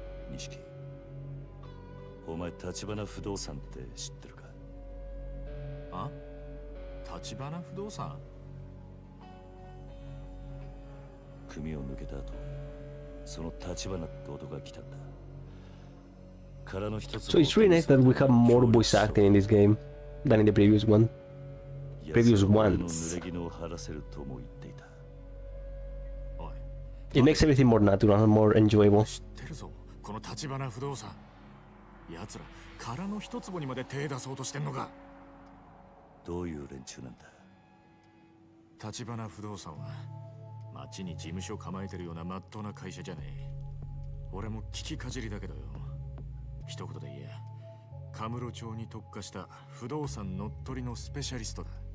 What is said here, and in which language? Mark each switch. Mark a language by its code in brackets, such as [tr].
[ja] 錦、お前立花不動産って知ってるか。あ、立花不動産。組を抜けた後、その立花って男が来たんだ。殻の一つ。 [en] So it's really nice that we have more voice acting in this game than in the previous one. Previous ones. It makes everything more natural and more enjoyable. [ja] 知ってるぞ、この立花不動産。やつら、殻の一つぼにまで手出そうとしてんのか。どういう連中なんだ。立花不動産は、町に事務所構えてるような真っ当な会社じゃねえ。俺も聞きかじりだけどよ。一言で言え、カムロ町に特化した不動産乗っ取りのスペシャリストだ。